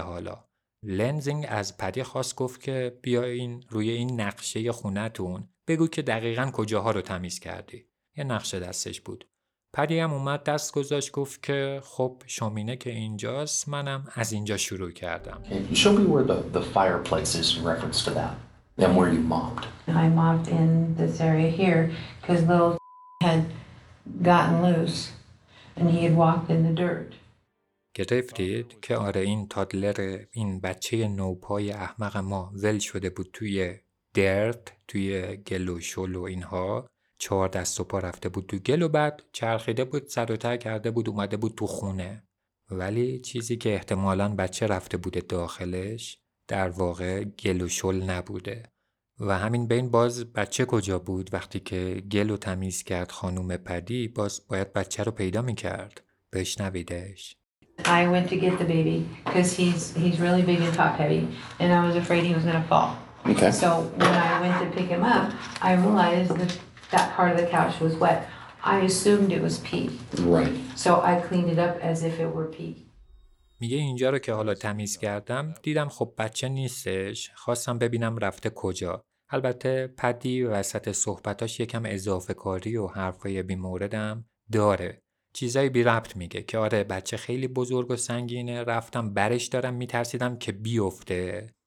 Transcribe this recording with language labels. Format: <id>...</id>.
<fa>حالا لنزینگ از پدی خواست گفت که بیا این روی این نقشه خونتون بگو که دقیقاً کجاها رو تمیز کردی. یه نقشه دستش بود. پدی هم اومد دست گذاشت گفت که خب شومینه که اینجاست، منم از اینجا شروع کردم.</fa> <en>Show me where the fireplace is in reference to that. And where you mopped. I mopped in this area here because little had gotten loose and he had walked in the dirt.</en> <fa>گرفتید که آره این تادلر، این بچه نوپای احمق ما ول شده بود توی درت، توی گل و شل و اینها. چهار دست و پا رفته بود تو گل و بعد چرخیده بود، سر و ته کرده بود، اومده بود تو خونه. ولی چیزی که احتمالاً بچه رفته بوده داخلش در واقع گل و شل نبوده. و همین بین باز بچه کجا بود؟ وقتی که گل و تمیز کرد خانوم پدی، باز باید بچه رو پیدا میکرد. بشنویدش.</fa> <en>I went to get the baby because he's really big and top heavy and I was afraid he was going to fall. Okay. So when I went to pick him up, I realized that part of the couch was wet. I assumed it was pee. Right. So I cleaned it up as if it were pee.</en> <fa>میگه اینجا رو که حالا تمیز کردم دیدم خب بچه نیستش، خواستم ببینم رفته کجا. البته پدی وسط صحبتاش یکم اضافه کاری و حرفای بی موردم داره، چیزای بی ربط میگه که آره بچه خیلی بزرگ و سنگینه، رفتم برش دارم، میترسیدم که بیفته.</fa>